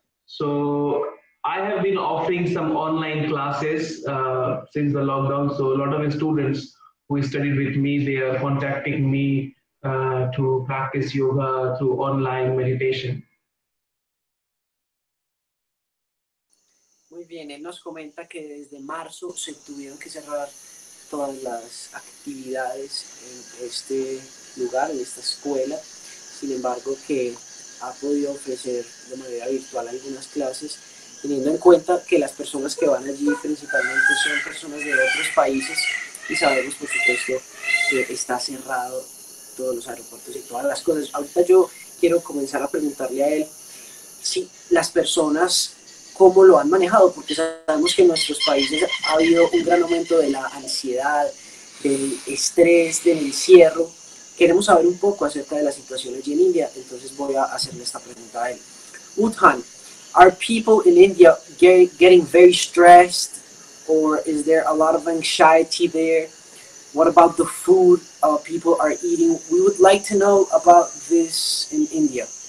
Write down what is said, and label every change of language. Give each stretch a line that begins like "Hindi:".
English: So I have been offering some online classes since the lockdown. So a lot of students who studied with me, they are contacting me to practice yoga through online meditation.
Spanish: Muy bien, él nos comenta que desde marzo se tuvieron que cerrar todas las actividades en este lugar, en esta escuela. Sin embargo, que ha podido ofrecer de manera virtual algunas clases, teniendo en cuenta que las personas que van allí principalmente son personas de otros países y sabemos, por supuesto, que está cerrado todos los aeropuertos y todas las cosas. Ahorita yo quiero comenzar a preguntarle a él si las personas... ¿Cómo lo han manejado? Porque sabemos que en nuestros países ha habido un gran aumento de la ansiedad, del estrés, del encierro. Queremos saber un poco acerca de la situación allí en India. Entonces voy a hacerle esta pregunta a él.
English: Uttam, ¿are people in India getting very stressed? ¿Or is there a lot of anxiety there? ¿What about the food people are eating? We would like to know about this in India.